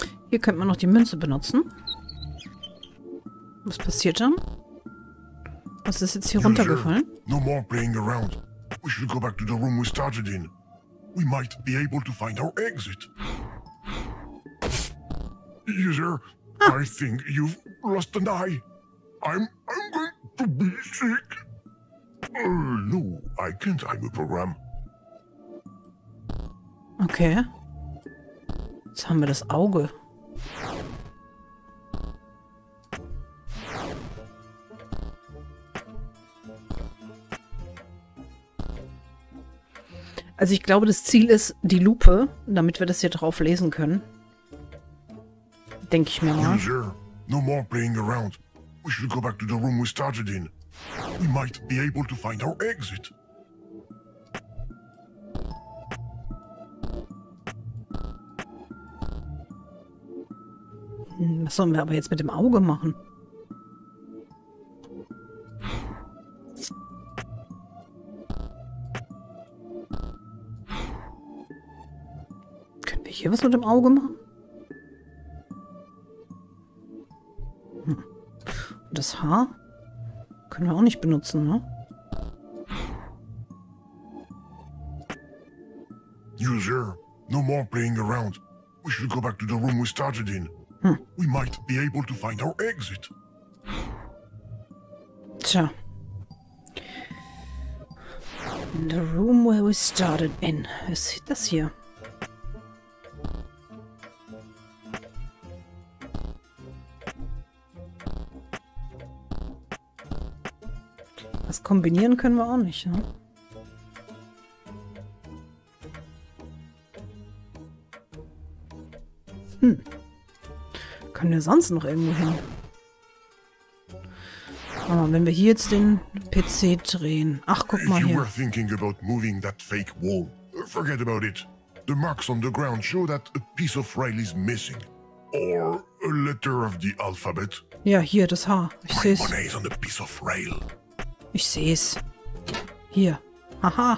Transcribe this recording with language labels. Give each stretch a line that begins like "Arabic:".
German: Hier könnte man noch die Münze benutzen. Was passiert dann? Was ist jetzt hier runtergefallen?
English: No more playing around. We should go back to the room we started in. We might be able to find our exit. User, I think you've lost an eye. I'm going to be sick. No, I can't. I'm a program. Okay.
German: Jetzt haben wir das Auge. Also ich glaube, das Ziel ist die Lupe, damit wir das hier drauf lesen können. Denke ich mir mal.
English: User, no more playing around. We should go back to the room we started in. We might be able to find our exit.
German: Was sollen wir aber jetzt mit dem Auge machen? was mit dem Auge machen? Das Haar können wir auch nicht benutzen, ne?
English: User, no more playing around. We should go back to the room we started in. We might be able to find our exit.
German: Tja.
English: In the room where we started in.
German: Was ist das hier? Was kombinieren können wir auch nicht, ne? Können wir sonst noch irgendwo hin? Aber wenn wir hier jetzt den PC drehen. Ach, guck mal hier.
English: If you were thinking about moving that fake wall, forget about it. The marks on the ground show that a piece of Riley's missing. Or a letter of the alphabet.
German: Ja, hier, das H. Ich sehe es.
English: My money is on the piece of rail.
German: Ich sehe es. Hier. Haha.